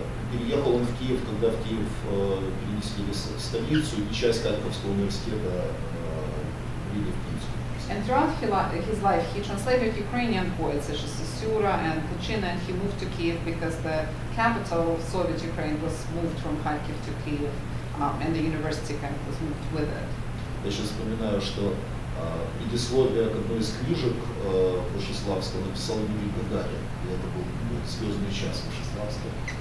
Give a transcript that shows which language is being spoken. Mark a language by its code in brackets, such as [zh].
[ru] Переехал он в Киев, когда в Киев перенесли столицу, и часть Харьковского университета были в Киевском. [en] And throughout his life, he translated Ukrainian poets such as Sosyura and Kuchina, and he moved to Kyiv because the capital of Soviet Ukraine was moved from Kharkiv to Kyiv, and the university kind of was moved with it. [ru] Я сейчас вспоминаю, что предисловие к одной из книжек Вячеславского написал Юрий Гагарин, и это был звездный час Вячеславского.